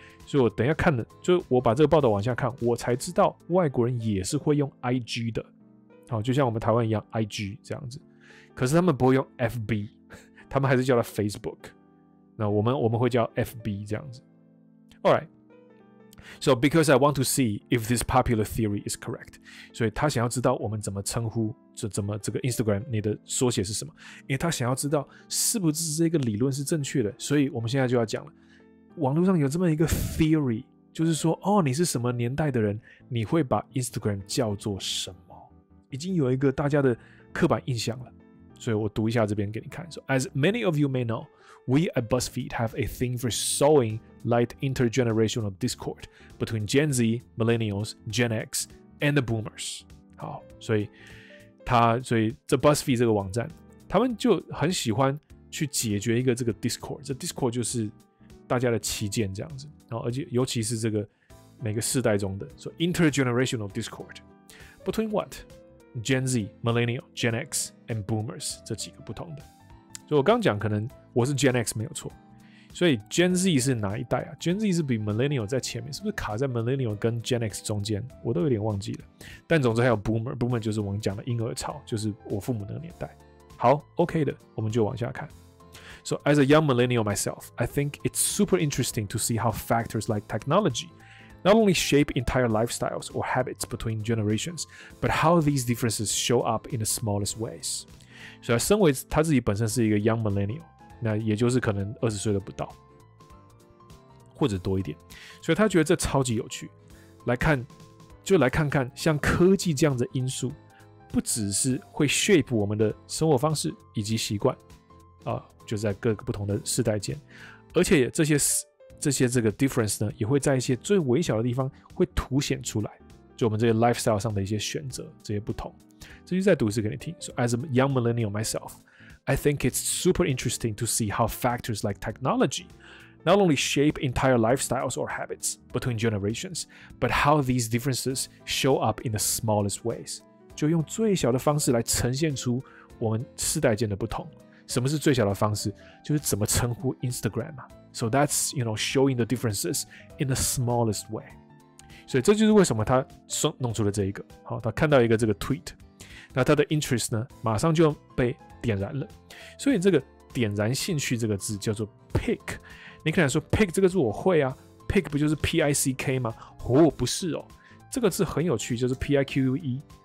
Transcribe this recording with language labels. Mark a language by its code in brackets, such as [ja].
[zh] 所以我等一下看的，就我把这个报道往下看，我才知道外国人也是会用 IG 的。好，就像我们台湾一样 IG 这样子，可是他们不会用 FB， 他们还是叫它 Facebook。那我们会叫 FB 这样子。 [en] All right. So because I want to see if this popular theory is correct. [zh] 所以他想要知道我们怎么称呼怎么这个 Instagram 你的缩写是什么。因为他想要知道是不是这个理论是正确的。所以我们现在就要讲了。网络上有这么一个 theory, 就是说哦你是什么年代的人你会把 Instagram 叫做什么。已经有一个大家的刻板印象了。所以我读一下这边给你看。 [en] So, as many of you may know, we at BuzzFeed have a thing for sowing light intergenerational discord between Gen Z, Millennials, Gen X, and the Boomers. [zh] 好，所以这 BuzzFeed 这个网站，他们就很喜欢去解决一个这个 Discord， 这 Discord 就是大家的旗舰这样子，然后而且尤其是这个每个世代中的说 [en] intergenerational Discord between what Gen Z, Millennial, Gen X and Boomers [zh] 这几个不同的，所以我刚讲可能我是 Gen X 没有错，所以 Gen Z 是哪一代啊？ Gen Z 是比 Millennial 在前面，是不是卡在 Millennial 跟 Gen X 中间？我都有点忘记了。但总之还有 Boomer， Boomer 就是我们讲的婴儿潮，就是我父母那个年代。好 ，OK 的，我们就往下看。 [en] So as a young millennial myself, I think it's super interesting to see how factors like technology not only shape entire lifestyles or habits between generations, but how these differences show up in the smallest ways. [zh] 所以身为他自己本身是一个 young millennial， 那也就是可能二十岁都不到，或者多一点，所以他觉得这超级有趣。来看，就来看看像科技这样的因素，不只是会 shape 我们的生活方式以及习惯，就在各个不同的世代间，而且这些这个 difference 呢，也会在一些最微小的地方会凸显出来，就我们这些 lifestyle 上的一些选择，这些不同。这就再读一次给你听。 [en] So as a young millennial myself, I think it's super interesting to see how factors like technology not only shape entire lifestyles or habits between generations, but how these differences show up in the smallest ways. [zh] 就用最小的方式来呈现出我们世代间的不同。什么是最小的方式？就是怎么称呼 Instagram 啊。 [en] So that's, you know, showing the differences in the smallest way. [zh] 所以这就是为什么他弄出了这一个。好，他看到一个这个 tweet， 那他的 interest 呢，马上就被点燃了。所以这个点燃兴趣这个字叫做 pick。你可能说 pick 这个字我会啊 ，pick 不就是 P-I-C-K 吗？哦，不是哦，这个字很有趣，就是 P-I-Q-U-E。